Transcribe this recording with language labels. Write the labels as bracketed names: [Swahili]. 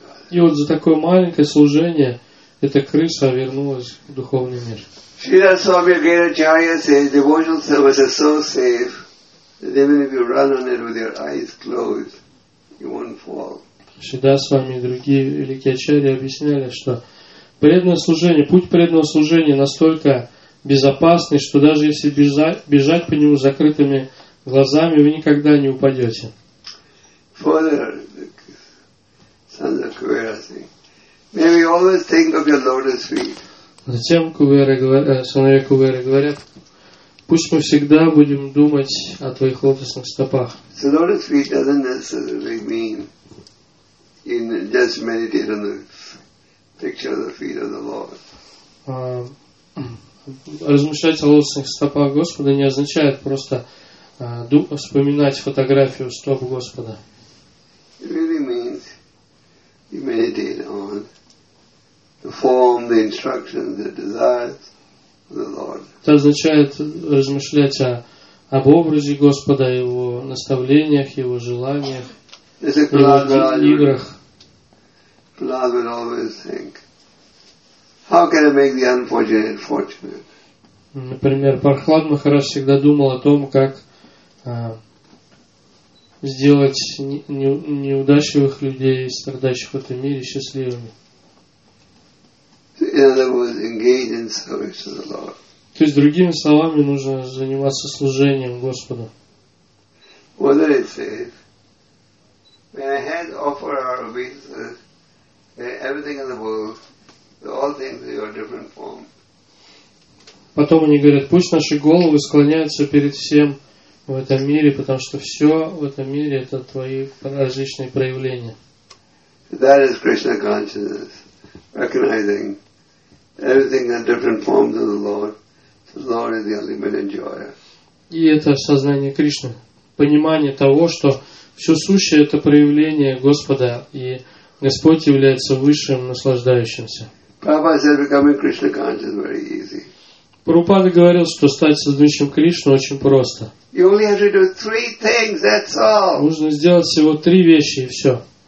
[Russian] И вот за такое маленькое служение эта крыса вернулась в духовный мир. [English] Shrila Swami Gaitacharya says devotional service is so safe that even if you run on it with your eyes closed, you won't fall. [Russian] Shrila Swami и другие великие ачарьи объясняли, что преданное служение, путь преданного служения настолько безопасный, что даже если бежать по нему с закрытыми глазами, вы никогда не упадете. [English] Further, Sons of Kuvera say, may we always think of your lotus feet. [Russian] Затем сыновья Куверы говорят, пусть мы всегда будем думать о твоих лотосных стопах. [English] So lotus feet doesn't necessarily mean in just meditate on the picture of the feet of the Lord. [Russian] Размышлять о лотосных стопах Господа не означает просто вспоминать фотографию стоп Господа. [English] It really means you meditate on the form, the instructions, the desires of the Lord. [Russian] Это означает размышлять об образе Господа, его наставлениях, его желаниях, играх. [English] Prahlad would always think, how can I make the unfortunate fortunate? [Russian] Например, Прохлад Махарадж всегда думал о том, как сделать неудачливых людей, страдающих в этом мире, счастливыми. [English] In other words, engage in service to the Lord. [Russian] То есть, другими словами, нужно заниматься служением Господу. [English] What did it say? May our hands offer our obeisances, everything in the world, all things in your different form. [Russian] Потом они говорят, пусть наши головы склоняются перед всем в этом мире, потому что все в этом мире это твои различные проявления. [English] That is Krishna consciousness, recognizing everything in different forms of the Lord. The Lord is the ultimate enjoyer. [Russian] И это сознание Кришны. Понимание того, что все сущее – это проявление Господа, и Господь является высшим наслаждающимся. Прабхупада говорил, что стать сознающим Кришну очень просто. Нужно сделать всего три вещи, и все.